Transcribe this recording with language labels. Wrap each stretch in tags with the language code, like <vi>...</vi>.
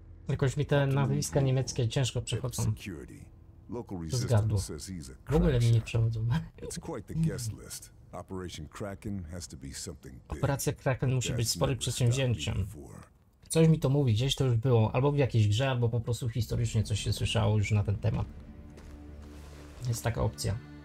<pl>Jakoś mi te nazwiska niemieckie ciężko przechodzą. To zgadło. W ogóle mi nie przechodzą.</pl> <en>It's quite the guest list. Operation Kraken has to be something big.</en> <pl>Operacja Kraken musi być sporym przedsięwzięciem. Coś mi to mówi, gdzieś to już było, albo w jakiejś grze, albo po prostu historycznie coś się słyszało już na ten temat. Jest taka opcja.</pl>